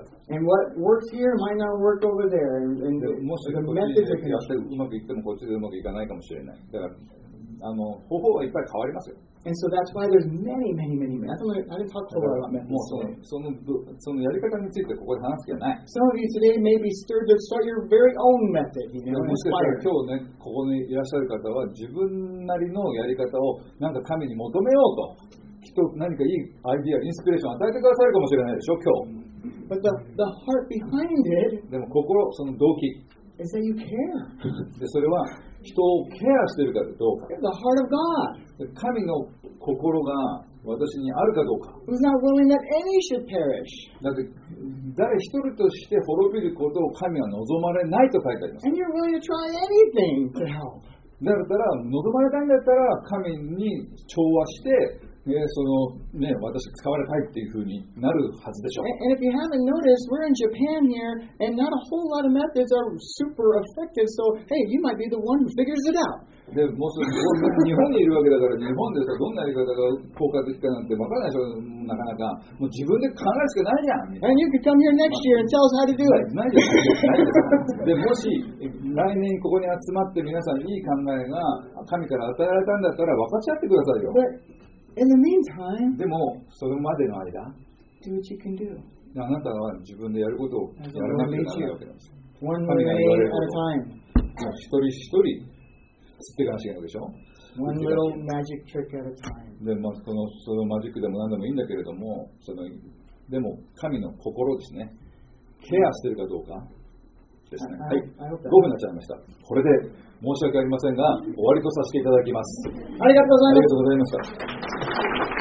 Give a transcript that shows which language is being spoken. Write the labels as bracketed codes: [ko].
[en] And what works here might not work over there. And [ja] もしこっちでやってうまくいってもこっちでうまくいかないかもしれない。だから方法はいっぱい変わりますよ。 [en] And so that's why there's many, many, many methods. I didn't talk a lot about methods. [ja] そのやり方についてここで話す気はない。 [en] Some of you today maybe start your very own method. [ja] もしかしたら今日ね、ここにいらっしゃる方は自分なりのやり方をなんか神に求めようと、きっと何かいいアイデア、インスピレーションを与えてくださるかもしれないでしょ、今日。 [en] But the heart behind it. [ja] でも心その動機。 [en] Is that you care? [ja] でそれは人をケアしているかどうか。 [en] It's the heart of God. [ja] 神の心が私にあるかどうか。 [en] Who's not willing that any should perish? [ja] だって誰一人として滅びることを神は望まれないと書いてあります。 [en] And you're willing to try anything to help. [ja] だったら望まれたいんだったら神に調和して。そのね、私使われたいっていう風になるはずでしょう。 [en] And if you haven't noticed, we're in Japan here, and not a whole lot of methods are super effective. So, hey, you might be the one who figures it out. [ja] でもう日本にいるわけだから、日本でさどんなやり方が効果的かなんて分からないでしょ。なかなかもう自分で考えるしかないじゃん。 [en] And you can come here next year and tell us how to do it. [ja] ないじゃん。でもし来年ここに集まって皆さんいい考えが神から与えられたんだったら分かち合ってくださいよ。 [en] In the meantime, [ja] でもそれまでの間、 [en] do what you can do. [ja] あなたは自分でやることをやらなきゃならないわけです。 [en] One minute at a time. [ja] 一人一人、つってがしがでしょ。 [en] One little magic trick at a time. [ja] でもそのマジックでも何でもいいんだけれども、でも神の心ですね、ケアしてるかどうかですね。はい、5分になっちゃいました。これで申し訳ありませんが、終わりとさせていただきます。ありがとうございます。ありがとうございました。